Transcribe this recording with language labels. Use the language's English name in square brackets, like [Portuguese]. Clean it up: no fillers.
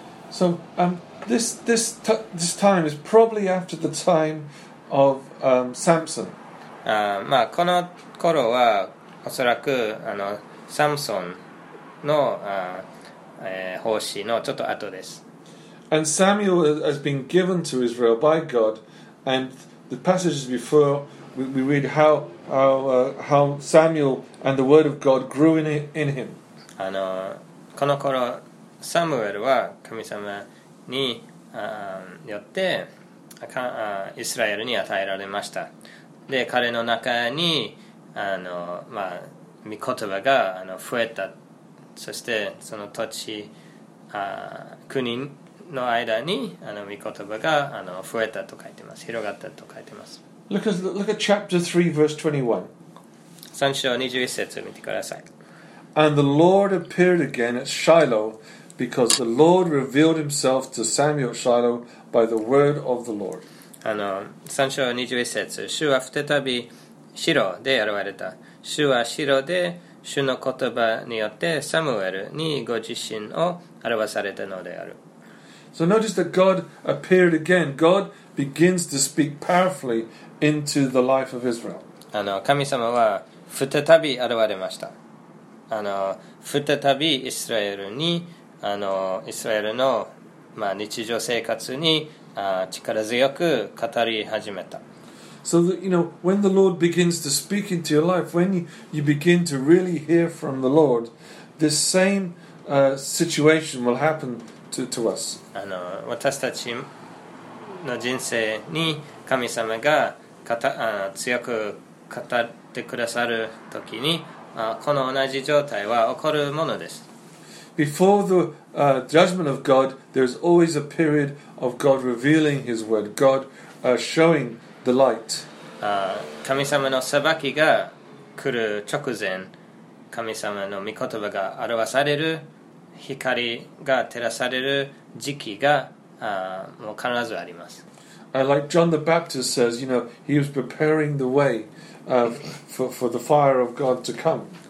[English] So, this time is probably after the time of Samson. [Japanese] この頃はおそらくサムソンの奉仕のちょっと後です。 [English] And Samuel has been given to Israel by God, andThe passages before we read how Samuel and the word of God grew in him. [Japanese] この頃サムエルは神様に、よってイスラエルに与えられました。で彼の中に御言葉が増えた。そしてその土地国の間に御言葉が増えたと書いてます、広がったと書いてます。 [English] Look at chapter 3 verse [Japanese] 21. 3章21節を見てください。 [English] And the Lord appeared again at Shiloh because the Lord revealed himself to Samuel Shiloh by the word of the Lord. [Japanese] あの3章21節、主は再び白で現れた。主は白で主の言葉によってサムエルにご自身を表されたのである。 [English] So notice that God appeared again. God begins to speak powerfully into the life of Israel. [Japanese] あの神様は再び現れました。あの再びイスラエルに、あのイスラエルの、まあ、日常生活に力強く語り始めた。 [English] So that, you know, when the Lord begins to speak into your life, when you begin to really hear from the Lord, this same situation will happen to us. [Japanese] あの、私たちの人生に神様が強く語ってくださるときに、この同じ状態は起こるものです。 [English] Before the judgment of God, there's always a period of God revealing His word, God showing the light. [Japanese] 神様の裁きが来る直前、神様の御言葉が表される、光が照らされる時期がもう必ずあります。 [English] Like John the Baptist says, you know, he was preparing the way for the fire of God to come.